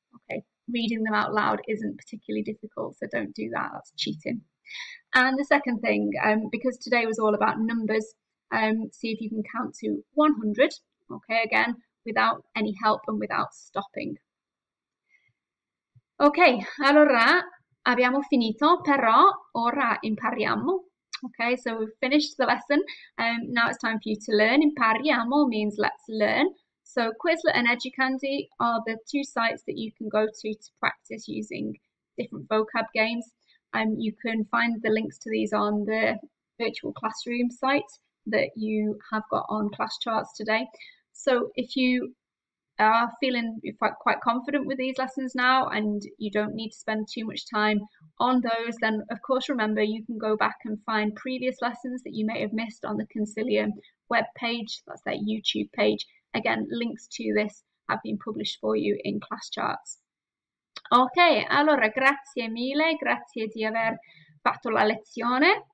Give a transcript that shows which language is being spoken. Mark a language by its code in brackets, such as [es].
[en] Okay, reading them out loud isn't particularly difficult, so don't do that, that's cheating. And the second thing, because today was all about numbers, see if you can count to 100, okay, again, without any help and without stopping. [it] Okay, allora abbiamo finito, però ora impariamo. [en] Okay, so we've finished the lesson, now it's time for you to learn. Impariamo means let's learn. So Quizlet and Educandy are the two sites that you can go to practice using different vocab games. You can find the links to these on the virtual classroom site that you have got on class charts today. So if you are feeling quite confident with these lessons now and you don't need to spend too much time on those, then of course remember you can go back and find previous lessons that you may have missed on the Consilium web page, that's their YouTube page. Again, links to this have been published for you in class charts. [it] Okay, allora grazie mille, grazie di aver fatto la lezione.